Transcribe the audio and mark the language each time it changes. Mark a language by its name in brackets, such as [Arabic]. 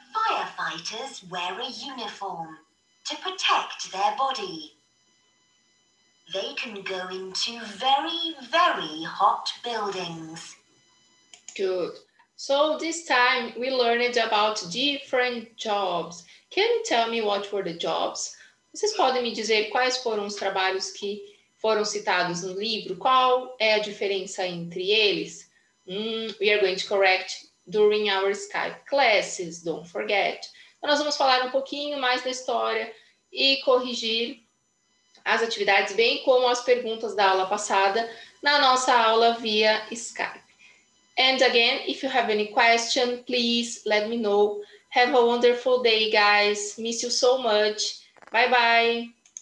[English] Firefighters wear a uniform to protect their body. They can go into very, very hot buildings. Good. So this time we learned about different jobs. Can you tell me what were the jobs? [Portuguese] Vocês podem me dizer quais foram os trabalhos que foram citados no livro? Qual é a diferença entre eles? [English] We are going to correct during our Skype classes, don't forget. [Portuguese] Então, nós vamos falar um pouquinho mais da história e corrigir as atividades, bem como as perguntas da aula passada, na nossa aula via Skype. [English] And again, if you have any question, please let me know. Have a wonderful day, guys. Miss you so much. Bye-bye.